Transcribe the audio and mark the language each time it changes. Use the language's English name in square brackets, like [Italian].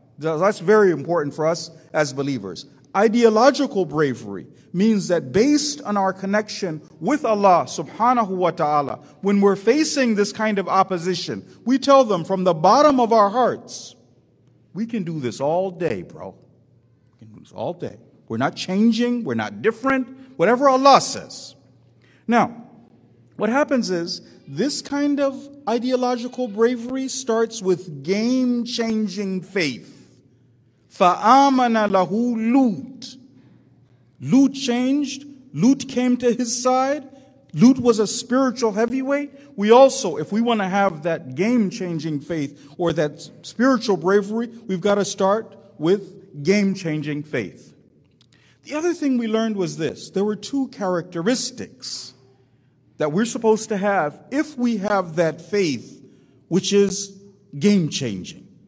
[English] That's very important for us as believers. Ideological bravery means that based on our connection with Allah subhanahu wa ta'ala, when we're facing this kind of opposition, we tell them from the bottom of our hearts, we can do this all day, bro. We can do this all day. We're not changing. We're not different. Whatever Allah says. Now, what happens is this kind of ideological bravery starts with game-changing faith. [Arabic] فَآمَنَ لَهُ لُوت [English] Lut changed. Lut came to his side. Lut was a spiritual heavyweight. We also, if we want to have that game-changing faith or that spiritual bravery, we've got to start with game-changing faith. The other thing we learned was this. There were two characteristics that we're supposed to have if we have that faith, which is game-changing.